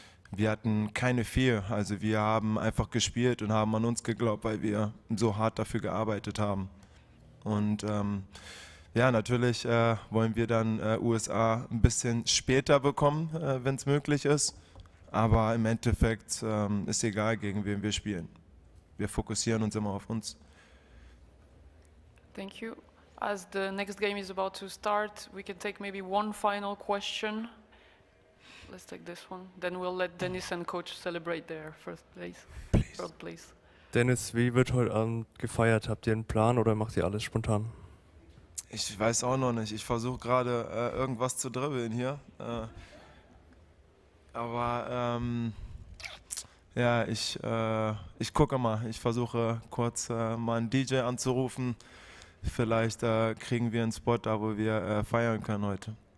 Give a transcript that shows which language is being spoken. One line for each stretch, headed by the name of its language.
German: Wir hatten keine Fear. Also wir haben einfach gespielt und haben an uns geglaubt, weil wir so hart dafür gearbeitet haben. Und ja, natürlich wollen wir dann USA ein bisschen später bekommen, wenn es möglich ist. Aber im Endeffekt ist egal, gegen wen wir spielen. Wir fokussieren uns immer auf uns.
English: Thank you. As the next game is about to start, we can take maybe one final question. Let's take this one. Then we'll let Dennis and Coach celebrate their first place. Please. First place.
German: Dennis, wie wird heute Abend gefeiert? Habt ihr einen Plan oder macht ihr alles spontan? Ich weiß auch noch nicht. Ich versuche gerade irgendwas zu dribbeln hier. Aber ja, ich gucke mal. Ich versuche kurz mal einen DJ anzurufen. Vielleicht kriegen wir einen Spot da, wo wir feiern können heute.